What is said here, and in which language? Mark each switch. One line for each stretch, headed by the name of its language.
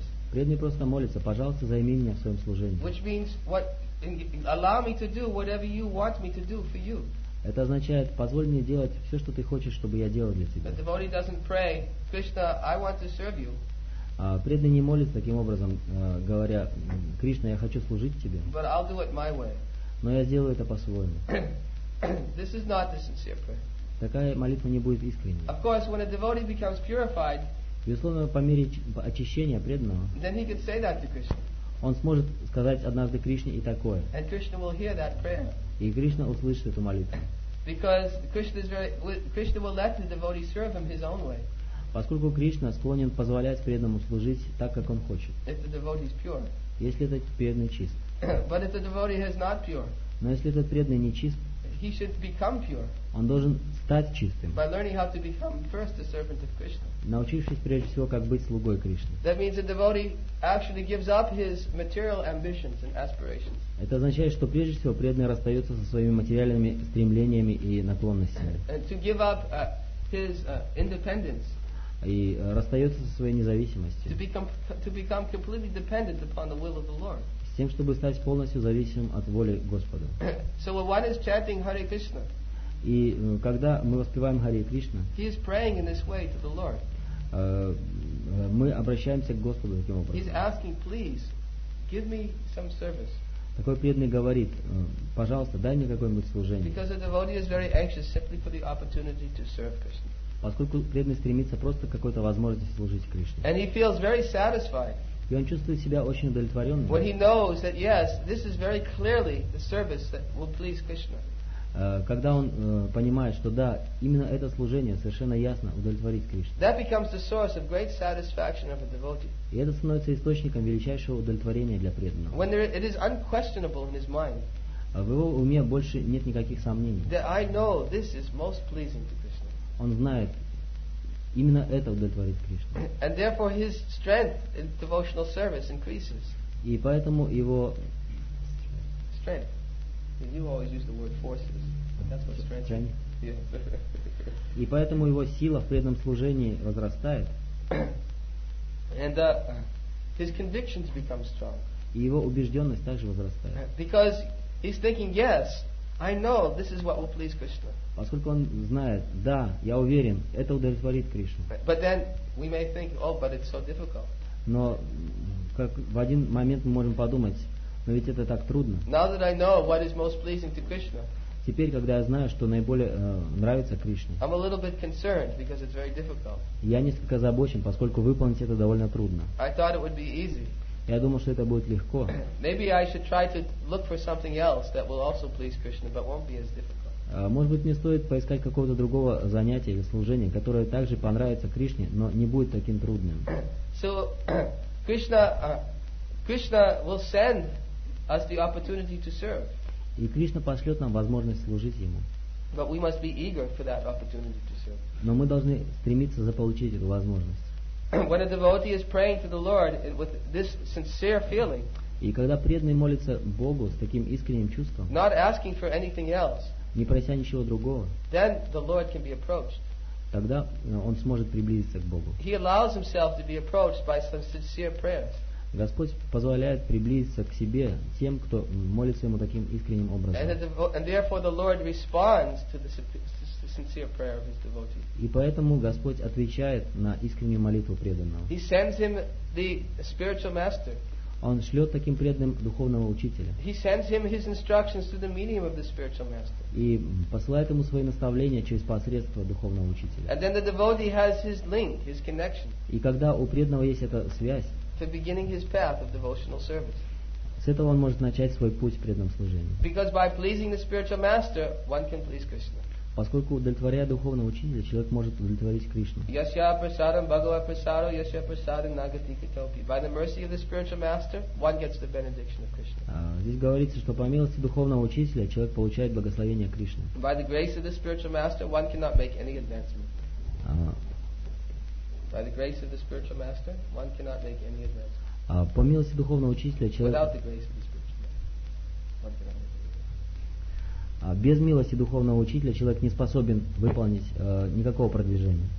Russian: Преданный просто молится, пожалуйста, займи меня в своем служении.
English: Which means what, allow me to do whatever you want me to do for you.
Russian: Это означает, позволь мне делать все, что ты хочешь, чтобы я делал для тебя. Преданный не молится таким образом, говоря, Кришна, я хочу служить тебе.
English: But I'll do it my way.
Russian: Но я сделаю это по-своему.
English: This is not the sincere prayer.
Russian: Такая молитва не будет искренней.
English: Of course, when a devotee becomes purified,
Russian: безусловно, по мере очищения преданного,
English: then he can say that to Krishna.
Russian: Он сможет сказать однажды Кришне и такое.
English: And Krishna will hear that prayer.
Russian: И Кришна услышит эту молитву.
English: Because Krishna is very, Krishna will let the devotee serve him his own way.
Russian: Поскольку Кришна склонен позволять преданному служить так, как он хочет.
English: If the devotee is pure.
Russian: Если этот преданный чист.
English: But if the devotee is not pure.
Russian: Но если этот преданный не чист.
English: He should become pure.
Russian: Он должен стать чистым.
English: By learning how to become first a servant of Krishna.
Russian: Научившись прежде всего, как быть слугой Кришны.
English: That means the devotee actually gives up his material ambitions and aspirations.
Russian: Это означает, что прежде всего преданный расстается со своими материальными стремлениями и наклонностями.
English: To give up his independence.
Russian: И расстается со своей независимостью.
English: To become completely dependent upon the will of the Lord.
Russian: Тем, чтобы стать полностью зависимым от воли Господа.
English: So one is chanting Hare Krishna.
Russian: И когда мы воспеваем Харе Кришна,
English: he is praying in this way to the Lord.
Russian: Мы обращаемся к Господу таким образом.
English: He is asking, please, give me some service.
Russian: Такой преданный говорит, пожалуйста, дай мне какое-нибудь служение.
English: Because the devotee is very anxious simply for the opportunity to serve Krishna.
Russian: Поскольку преданный стремится просто к какой-то возможности служить Кришне.
English: And he feels very satisfied.
Russian: И он чувствует себя очень удовлетворенным.
English: When he knows that yes, this is very clearly the service that will please Krishna.
Russian: Когда он понимает, что да, именно это служение совершенно ясно удовлетворит Кришну.
English: That becomes the source of great satisfaction of a devotee.
Russian: И это становится источником величайшего удовлетворения для преданного.
English: When there, it is unquestionable in his mind.
Russian: В его уме больше нет никаких сомнений.
English: That I know this is most pleasing to Krishna.
Russian: Он знает. Именно это удовлетворит Кришну.
English: And therefore his strength in devotional service increases.
Russian: И поэтому его
English: strength. You always use the word forces. That's what strength. Strength. Yeah.
Russian: И поэтому его сила в преданном служении возрастает.
English: And his convictions become strong.
Russian: И его убежденность также возрастает.
English: Because he's thinking, yes, I know this is what will please Krishna.
Russian: Поскольку он знает, да, я уверен, это удовлетворит Кришну.
English: But then we may think, oh, but it's so difficult.
Russian: Но как в один момент мы можем подумать, но ведь это так трудно.
English: Now that I know what is most pleasing to Krishna.
Russian: Теперь, когда я знаю, что наиболее нравится Кришне.
English: I'm a little bit concerned because it's very difficult.
Russian: Я несколько озабочен, поскольку выполнить это довольно трудно.
English: I thought it would be easy.
Russian: Я думал, что это будет легко.
English: Maybe I should try to look for something else that will also please Krishna, but won't be as difficult.
Russian: Может быть, мне стоит поискать какого-то другого занятия или служения, которое также понравится Кришне, но не будет таким трудным.
English: So, Krishna will send us the opportunity to serve.
Russian: И Кришна пошлет нам возможность служить Ему.
English: But we must be eager for that opportunity to serve.
Russian: Но мы должны стремиться заполучить эту возможность.
English: When a devotee is praying to the Lord with this sincere feeling,
Russian: и когда преданный молится Богу с таким искренним чувством,
English: not asking for anything else,
Russian: не прося ничего другого,
English: then the Lord can be approached.
Russian: Тогда он сможет приблизиться к Богу.
English: He allows himself to be approached by some sincere prayers.
Russian: Господь позволяет приблизиться к себе тем, кто молится ему таким искренним образом.
English: And therefore the Lord responds to the sincere prayer of his devotee.
Russian: И поэтому Господь отвечает на искреннюю молитву преданного.
English: He sends him the spiritual master.
Russian: он шлет таким преданным духовного учителя.
English: He sends him his instructions through the medium of the spiritual master.
Russian: И посылает ему свои наставления через посредство духовного учителя.
English: And then the devotee has his link, his connection.
Russian: И когда у преданного есть эта связь,
English: to beginning his path of devotional service.
Russian: С этого он может начать свой путь в преданном служении.
English: Because by pleasing the spiritual master, one can please Krishna.
Russian: Поскольку удовлетворяя духовного учителя, человек может удовлетворить Кришну.
Sanskrit: Yasya prasadam bhagava prasado, yasya prasadam nagati katopi.
English: By the mercy of the spiritual master, one gets the benediction of Krishna.
Russian: Здесь говорится, что по милости духовного учителя человек получает благословение Кришны.
English: By the grace of the spiritual master, one cannot make any advancement. By the grace of the spiritual master, one cannot make any advancement.
Russian: По милости духовного учителя человек.
English: Without the grace of the spiritual master.
Russian: Без милости духовного учителя человек не способен выполнить никакого продвижения.